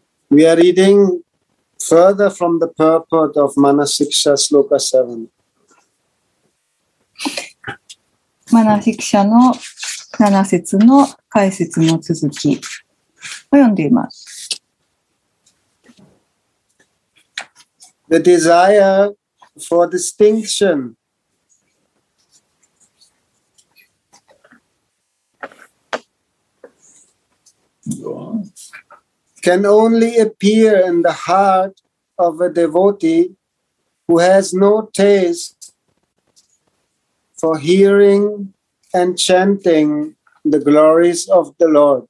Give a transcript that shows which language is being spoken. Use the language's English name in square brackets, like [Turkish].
[English] We are reading further from the purport of Manasiksha Sloka 7. [Japanese] マナシクシャの7節の解説の続きを読んでいます。 [English] The desire for distinction can only appear in the heart of a devotee who has no tasteFor hearing and chanting the glories of the Lord.